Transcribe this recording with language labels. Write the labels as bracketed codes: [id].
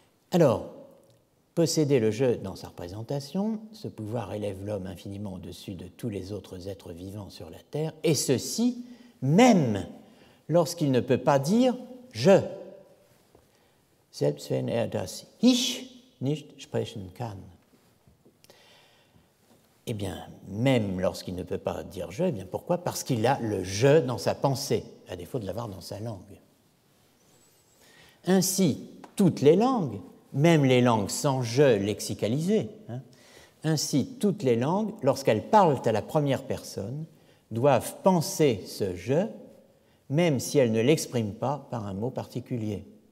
[fr] Alors, posséder le jeu dans sa représentation, ce pouvoir élève l'homme infiniment au-dessus de tous les autres êtres vivants sur la terre, et ceci même lorsqu'il ne peut pas dire « je ». [de] Selbst wenn er das Ich nicht sprechen kann. [fr] Eh bien, même lorsqu'il ne peut pas dire « je », eh bien pourquoi ? Parce qu'il a le « je » dans sa pensée, à défaut de l'avoir dans sa langue. Ainsi, toutes les langues, même les langues sans « je » lexicalisées, hein, ainsi, toutes les langues, lorsqu'elles parlent à la première personne, doivent penser ce « je », même si elles ne l'expriment pas par un mot particulier.